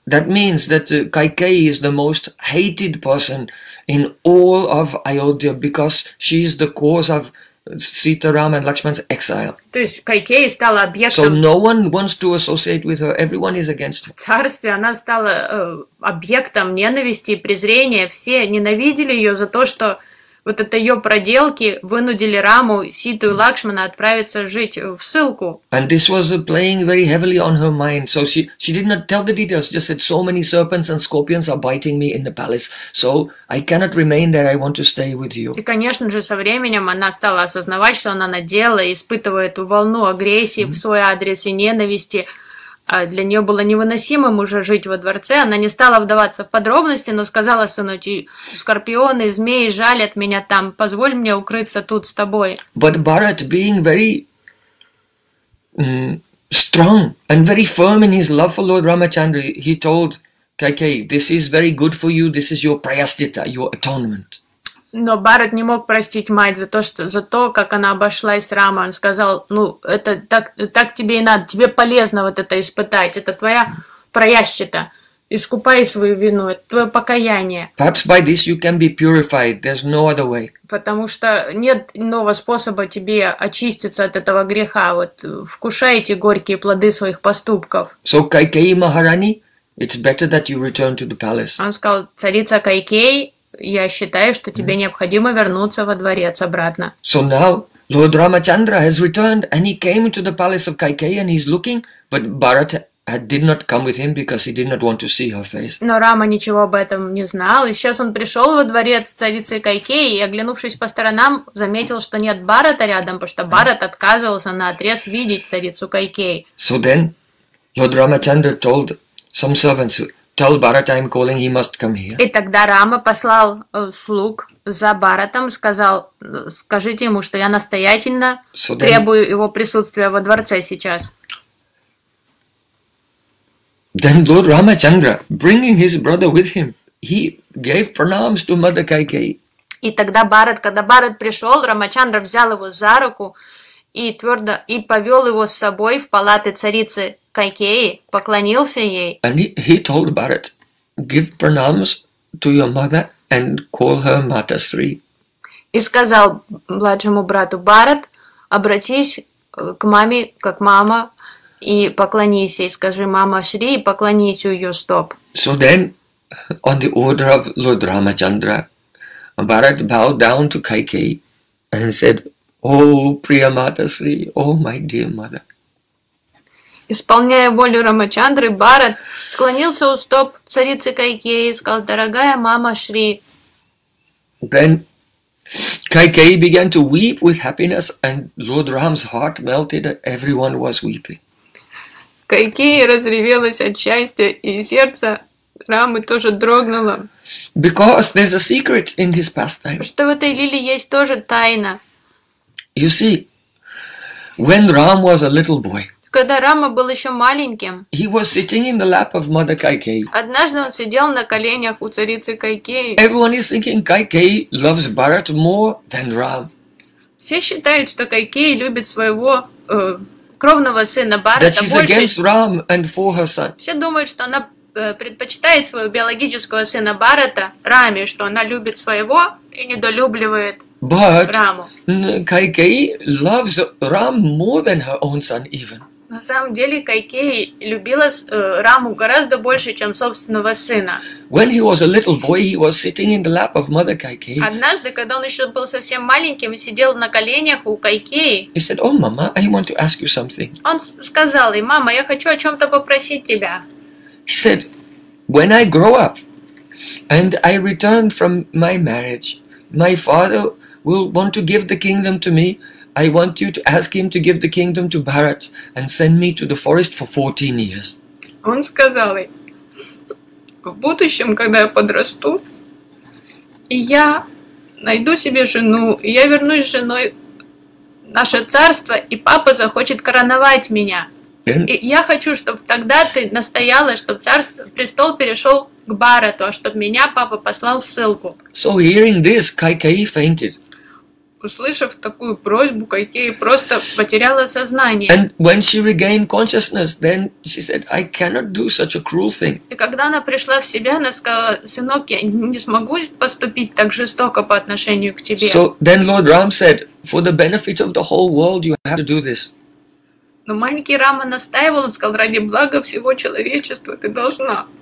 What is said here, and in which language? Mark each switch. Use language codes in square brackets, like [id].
[en] That means that Kaikeyi is the most hated person in all of Ayodhya because she is the cause of Sita Rama and Lakshman's exile. [ru] То есть Кайкеи стала объектом. [en] So no one wants to associate with her. Everyone is against her. [ru] В царстве она стала объектом ненависти и презрения. Все ненавидели ее за то, что вот это ее проделки вынудили Раму, Ситу и Лакшмана отправиться жить в ссылку. [en] And this was playing very heavily on her mind. So she did not tell the details. Just said so many serpents and scorpions are biting me in the palace. So I cannot remain there. I want to stay with you. [ru] И, конечно же, со временем она стала осознавать, что она надела, испытывая эту волну агрессии в свой адрес и ненависти. Для нее было невыносимым уже жить во дворце. Она не стала вдаваться в подробности, но сказала сыну: «Скорпионы, змеи жалят меня там. Позволь мне укрыться тут с тобой». [en] But Bharat, being very strong and very firm in his love for Lord Ramachandra, he told Kaikeyi, "This is very good for you. This is your prayastita, your atonement." [ru] Но Бхарат не мог простить мать за то, что за то, как она обошлась с Рамой. Он сказал: "Ну, это так тебе и надо. Тебе полезно вот это испытать. Это твоя праящчита. Искупай свою вину. Это твое покаяние." [en] Perhaps by this you can be purified. There's no other way. [ru] Потому что нет иного способа тебе очиститься от этого греха. Вот вкушай эти горькие плоды своих поступков. [en] So Kaikeyi Maharani, it's better that you return to the palace. [ru] Он сказал: "Царица Кайкей, я считаю, что тебе необходимо вернуться во дворец обратно." [en] So now Lord Ramachandra has returned and he came into the palace of Kaikeyi and he's looking, but Bharat did not come with him because he did not want to see her face. [ru] Но Рама ничего об этом не знал. И сейчас он пришел во дворец царицы Кайкеи и, оглянувшись по сторонам, заметил, что нет Бхарата рядом, потому что Бхарат отказывался наотрез видеть царицу Кайкеи. [en] So then Lord Ramachandra told some servants, "Tell Bharat I'm calling, he must come here." [ru] И тогда Рама послал слуг за Бхаратом, сказал: "Скажите ему, что я настоятельно требую его присутствия во дворце сейчас." [en] Then Lord Ramachandra, bringing his brother with him, he gave pranams to Mother Kaikeyi. [ru] И тогда Бхарат, когда Бхарат пришел, Рамачандра взял его за руку и твердо и повел его с собой в палаты царицы Кайкеи, поклонился ей. [en] And he told Bharat, "Give pranams to your mother and call her Mata Sri." [ru] И сказал младшему брату: "Бхарат, обратись к маме как мама и поклонись ей, скажи мама Шри и поклонись у ее стоп." [en] So then, on the order of Lord Ramachandra, Bharat bowed down to Kaikeyi and said, "Oh, Priya Mata Sri, oh my dear mother." [ru] Исполняя волю Рамачандры, Бхарат склонился у стоп царицы Кайкеи и сказал: "Дорогая мама Шри." [en] Then Kaikeyi began to weep with happiness, and Lord Ram's heart melted. Everyone was weeping. [ru] Кайкеи разревелась от счастья, и сердце Рамы тоже дрогнуло. [en] Because there's a secret in his pastime. [ru] Потому что в этой лиле есть тоже тайна. [en] You see, when Ram was a little boy, [ru] когда Рама был еще маленьким, [en] he was sitting in the lap of Mother Kaikeyi. [ru] Однажды он сидел на коленях у царицы Кайкеи. [en] Everyone is thinking Kaikeyi loves Bharat more than Ram. [ru] Все считают, что Кайкеи любит своего кровного сына Бхарата больше. [en] That she's against Ram and for her son. [ru] Все думают, что она предпочитает своего биологического сына Бхарата Раме, что она любит своего и недолюбливает. [en] But [ru] Раму. [en] Kaikeyi loves Ram more than her own son even. [ru] На самом деле Кайкеи любила Раму гораздо больше, чем собственного сына. [en] When he was a little boy, he was sitting in the lap of Mother Kaikeyi. [ru] Однажды, когда он еще был совсем маленьким, сидел на коленях у Кайкеи. [en] He said, "Oh, mama, I want to ask you something." [ru] Он сказал ей: "Мама, я хочу о чем-то попросить тебя." [en] He said, "When I grow up and I return from my marriage, my father will want to give the kingdom to me. I want you to ask him to give the kingdom to Bharat and send me to the forest for 14 years." [ru] Он сказал ей: "В будущем, когда я подрасту, и я найду себе жену, я вернусь с женой в наше царство, и папа захочет короновать меня. И я хочу, чтобы тогда ты настояла, чтобы царство, престол перешел к Барату, а чтобы меня папа послал в ссылку. [en] So hearing this, Кайкеи fainted. [ru] Услышав такую просьбу, Кайкеи просто потеряла сознание. [en] And when she regained consciousness, then she said, I cannot do such a cruel thing. [ru] И когда она пришла в себя, она сказала, сынок, я не смогу поступить так жестоко по отношению к тебе. [en] So then Lord Ram said, for the benefit of the whole world, you have to do this. [ru] Но маленький Рама настаивал, он сказал, ради блага всего человечества ты должна.